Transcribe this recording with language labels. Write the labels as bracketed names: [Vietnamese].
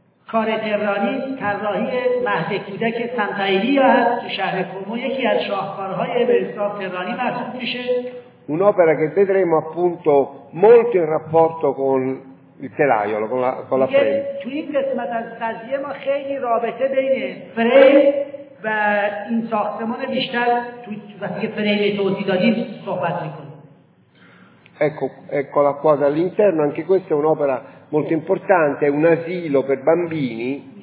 [Persian] کار تهرانی طراحی مهد کودک سنت ایلیا هست تو شهر فرمو یکی از شاهکارهای به حساب تهرانی محسوب میشه [Italian] un'opera che vedremo appunto molto in rapporto con il telaiolo con la frame. [Persian] تو این قسمت از قضیه ما خیلی رابطه بین فریم و این ساختمان بیشتر تو وقتی که فریم توضیح دادیم صحبت میکنیم. [Italian] Eccola qua dall'interno, anche questa è un'opera molto importante, è un asilo per bambini.